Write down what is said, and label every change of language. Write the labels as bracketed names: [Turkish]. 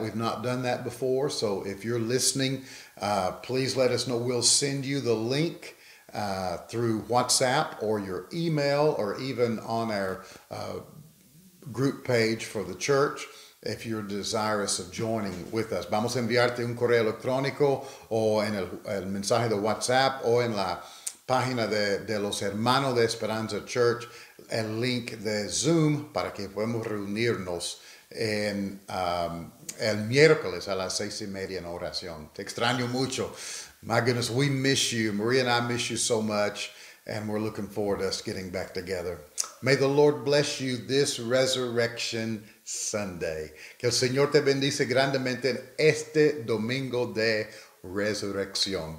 [English] We've not done that before. So if you're listening, please let us know. We'll send you the link through WhatsApp or your email or even on our group page for the church if you're desirous of joining with us. [Spanish] Vamos a enviarte un correo electrónico o en el mensaje de WhatsApp o en la página de los Hermanos de Esperanza Church el link de Zoom para que podamos reunirnos en el miércoles a las 6:30 en oración. Te extraño mucho. [English] My goodness, we miss you. Maria and I miss you so much, and we're looking forward to us getting back together. May the Lord bless you this Resurrection Sunday. [Spanish] Que el Señor te bendice grandemente en este Domingo de Resurrección.